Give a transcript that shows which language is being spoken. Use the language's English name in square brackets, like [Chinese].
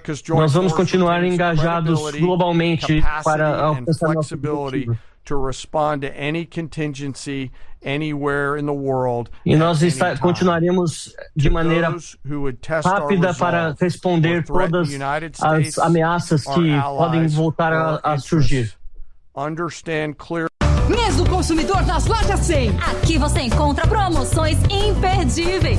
[Portuguese] Nós vamos continuar engajados globalmente para alcançar nosso objetivo. [English] To respond to any contingency anywhere in the world. [Portuguese] E nós continuaremos de maneira rápida para responder todas as ameaças que podem voltar a surgir. [English] Understand clear. [Portuguese] Mesmo consumidor das lojas 100. Aqui você encontra promoções imperdíveis.